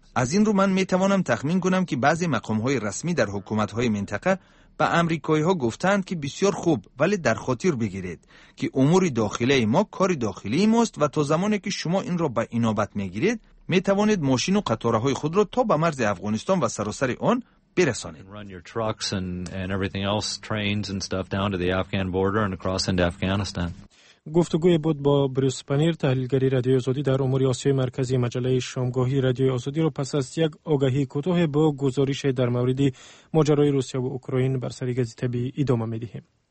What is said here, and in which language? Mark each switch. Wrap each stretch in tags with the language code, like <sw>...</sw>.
<fa>از این رو من میتوانم تخمین کنم که بعضی مقام‌های رسمی در حکومت‌های منطقه به آمریکایی‌ها گفتند که بسیار خوب، ولی در خاطر بگیرید که امور داخلی ما کار داخلی ماست و تا زمانی که شما این را به انابت میگیرید میتوانید ماشین و قطارهای خود را تا به مرز افغانستان و سراسر آن برسانید.</fa> <en>Run your trucks and everything else, trains and stuff down to the Afghan border and across into Afghanistan.</en> <fa>گفتگوی بود با بروس پنیر، تحلیلگری رادیو آزادی در امور آسیای مرکزی. مجله شامگاهی رادیو آزادی رو پس از یک آگهی کوتاه با گزارش در مورد ماجرای روسیه و اوکراین بر سری گزی طبیعی ادامه می دهیم.</fa>